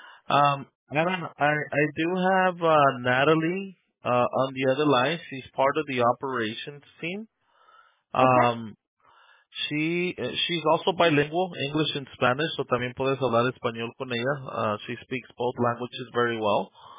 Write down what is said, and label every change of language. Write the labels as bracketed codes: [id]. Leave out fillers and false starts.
[en] Anna, I do have Natalie on the other line. She's part of the operations team. She's also bilingual, English and Spanish, so [es] también puedes hablar español con ella. [en] She speaks both languages very well.